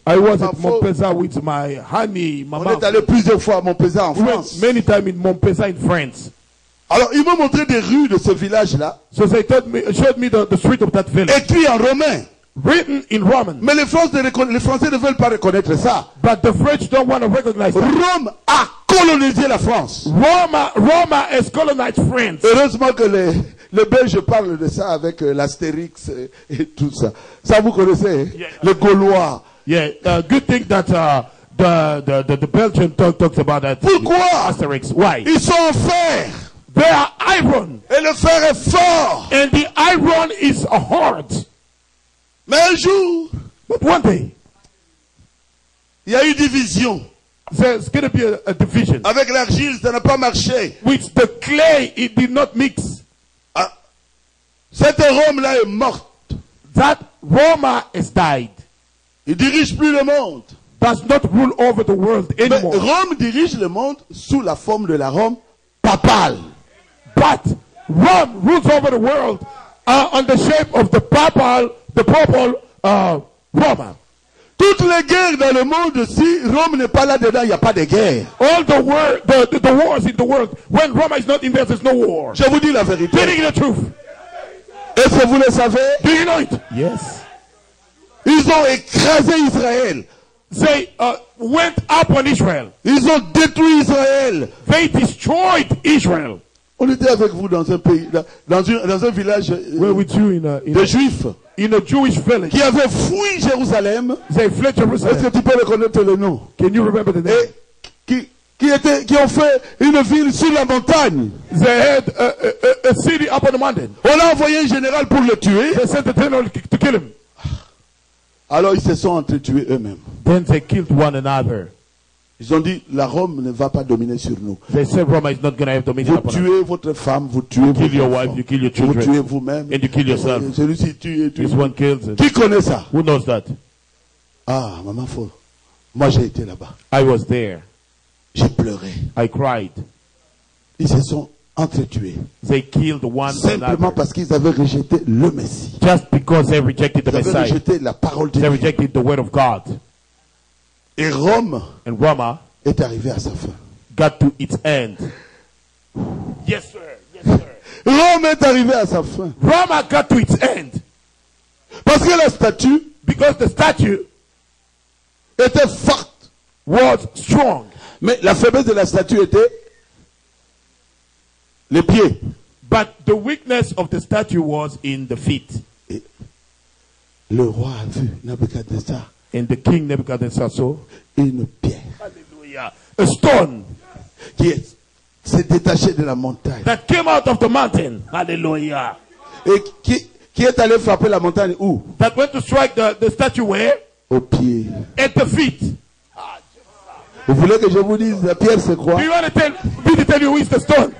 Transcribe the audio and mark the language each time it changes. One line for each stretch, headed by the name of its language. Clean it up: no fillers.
English: I was at Montpezat with my honey, my mom.
French: On est allé plusieurs fois à Montpezat en France.
English: Many times in Montpezat in France.
French: Alors, ils m'ont montré des rues de ce village-là.
English: So they showed me the street of that village.
French: Écrit en romain.
English: Written in Roman.
French: Mais les Français ne veulent pas reconnaître ça.
English: But the French don't want to recognize that.
French: Rome a colonisé la France.
English: Roma has colonized France.
French: Heureusement que les Belges parlent de ça avec l'Astérix et tout ça. Ça vous connaissez,
English: yeah.
French: Les Gaulois.
English: Yeah, good thing that the Belgian talks about that.
French: Pourquoi?
English: Asterix. Why?
French: Ils sont en fer.
English: They are iron.
French: Et le fer est fort.
English: And the iron is hard.
French: Mais un jour,
English: but one day,
French: il y a eu division.
English: There's going to be a division.
French: Avec l'argile, ça n'a pas marché.
English: With the clay, it did not mix.
French: Cette Rome-là est morte.
English: That Roma has died.
French: Il dirige plus le monde.
English: Does not rule over the world anymore.
French: Mais Rome dirige le monde sous la forme de la Rome papale.
English: But Rome rules over the world on the shape of the papal. The people Roma.
French: Toutes les guerres dans le monde, si Rome n'est pas là dedans, il y a pas de guerre.
English: All the wars in the world, when Roma is not in there, there's no war.
French: Je vous dis la vérité.
English: Telling the truth.
French: Est-ce que vous le savez?
English: Do you know it? Yes.
French: Ils ont écrasé Israël.
English: They went up on Israel.
French: Ils ont détruit Israël.
English: They destroyed Israel.
French: On était avec vous dans un pays, dans un village de juifs.
English: In a Jewish village.
French: Qui avait fui Jérusalem.
English: They fled Jerusalem.
French: Est-ce que tu peux reconnaître le nom?
English: Can you remember the name?
French: Et qui ont fait une ville sur la montagne.
English: They had a city up on the mountain.
French: On a envoyé un général pour le tuer.
English: They sent a general to kill him.
French: Alors ils se sont entretués eux-mêmes.
English: Then they killed one another.
French: Ils ont dit, la Rome ne va pas dominer sur nous.
English: They said Roma is not going to have dominion.
French: Vous tuez votre femme, vous tuez
English: you kill your wife, you kill your children.
French: Vous tuez vous-même.
English: And you kill yourself.
French: Celui-ci tue.
English: This one kills.
French: Qui connaît ça?
English: Who knows that?
French: Ah, maman fou. Moi j'ai été là-bas.
English: I was there.
French: J'ai pleuré.
English: I cried.
French: Ils se sont entretués.
English: They killed one
French: simplement parce qu'ils avaient rejeté le Messie.
English: Just because they rejected the Messiah.
French: Ils avaient rejeté la parole de
English: they
French: Dieu.
English: They rejected the word of God.
French: Et Rome
English: and Roma
French: est arrivé à sa fin.
English: Got to its end. Yes, sir.
French: Rome est arrivé à sa fin.
English: Roma got to its end.
French: Parce que la statue,
English: because the statue
French: était forte,
English: was strong.
French: Mais la faiblesse de la statue était les pieds.
English: But the weakness of the statue was in the feet.
French: Et le roi a vu Nabucodonosor.
English: And the king Nebuchadnezzar saw
French: une pierre.
English: Hallelujah. a stone
French: qui s'est détaché de la montagne.
English: That came out of the mountain. Hallelujah.
French: Et qui est allé frapper la montagne où?
English: That went to strike the statue where?
French: Au pied.
English: At the feet.
French: Vous voulez que je vous dise la pierre c'est quoi?
English: Do you want to tell you who is the stone?